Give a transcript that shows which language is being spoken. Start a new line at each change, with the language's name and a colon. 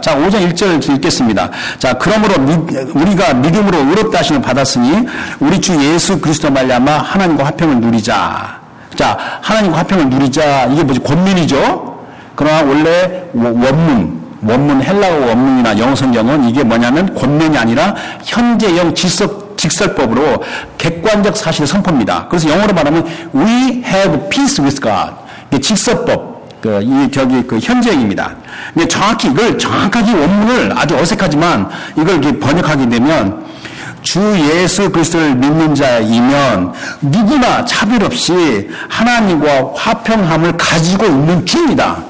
Korean: 자, 5장 1절 읽겠습니다. 자, 그러므로 우리가 믿음으로 의롭다 하심을 받았으니 우리 주 예수 그리스도 말미암아 하나님과 화평을 누리자. 자, 하나님과 화평을 누리자. 이게 뭐지? 권면이죠. 그러나 원래 원문 헬라어 원문이나 영어성경은 이게 뭐냐면 권면이 아니라 현재형 직설법으로 객관적 사실을 선포합니다. 그래서 영어로 말하면
English: We have peace with God.
Korean: 이게 직설법, 현재형입니다. 정확히 이걸 정확하게 원문을 아주 어색하지만 이걸 이렇게 번역하게 되면 주 예수 그리스도를 믿는 자이면 누구나 차별 없이 하나님과 화평함을 가지고 있는 중이다.